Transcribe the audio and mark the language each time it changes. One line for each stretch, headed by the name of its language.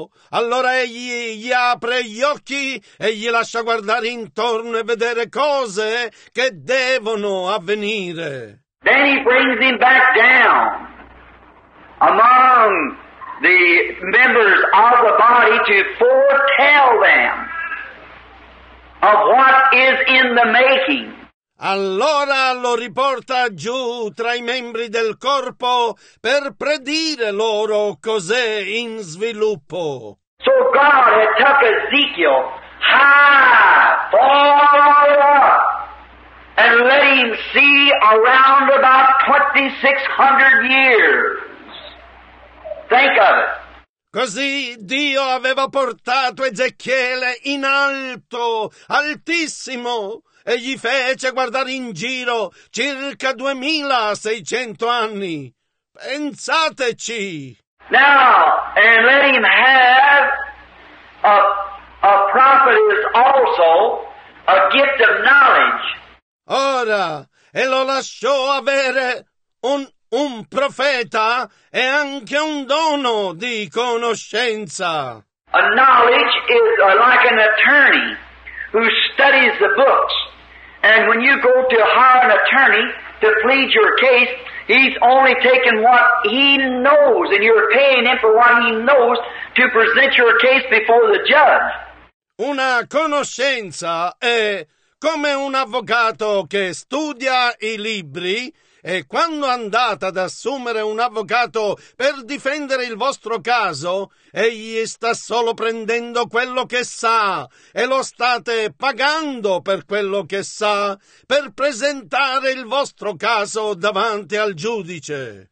Italian: Allora egli gli apre gli occhi e gli lascia guardare intorno e vedere cose che devono avvenire.
English: Then he brings him back down among the members of the body to foretell them of what is in the making.
Italian: Allora lo riporta giù tra i membri del corpo per predire loro cos'è in sviluppo.
English: So God had took Ezekiel high, far up, and let him see around about 2600 years. Think of it.
Italian: Così Dio aveva portato Ezechiele in alto, altissimo, e gli fece guardare in giro circa 2600 anni. Pensateci!
English: Now, and let him have a prophet is also a gift of knowledge.
Italian: Ora, e lo lasciò avere un profeta è anche un dono di conoscenza.
English: A knowledge is like an attorney who studies the books. And when you go to hire an attorney to plead your case, he's only taking what he knows, and you're paying him for what he knows, to present your case before the judge.
Italian: Una conoscenza è come un avvocato che studia i libri e quando andate ad assumere un avvocato per difendere il vostro caso, egli sta solo prendendo quello che sa e lo state pagando per quello che sa per presentare il vostro caso davanti al giudice.